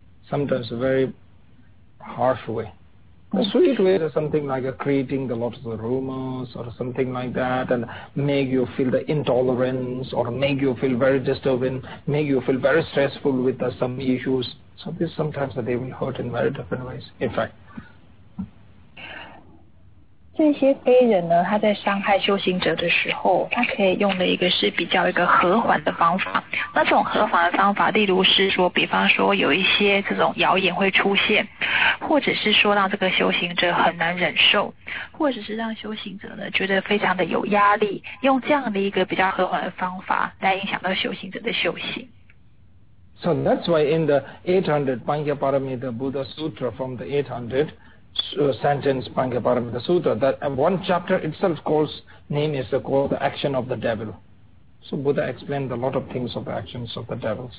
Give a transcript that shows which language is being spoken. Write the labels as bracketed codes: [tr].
[en] Sometimes a very harsh way. A sweet way is something like creating a lot of the rumors or something like that and make you feel the intolerance or make you feel very disturbing, make you feel very stressful with some issues. So this sometimes they will hurt in very different ways. In fact, [zh] 这些非人呢，他在伤害修行者的时候，他可以用的一个是比较一个和缓的方法。那这种和缓的方法，例如是说，比方说有一些这种谣言会出现，或者是说让这个修行者很难忍受，或者是让修行者呢觉得非常的有压力，用这样的一个比较和缓的方法来影响到修行者的修行。 [en] So that's why in the 800 Panchaparamita Buddha Sutra from the 800. Sentence Panchaparamita Sutra, that one chapter itself calls name is called the action of the devil. So Buddha explained a lot of things of the actions of the devils.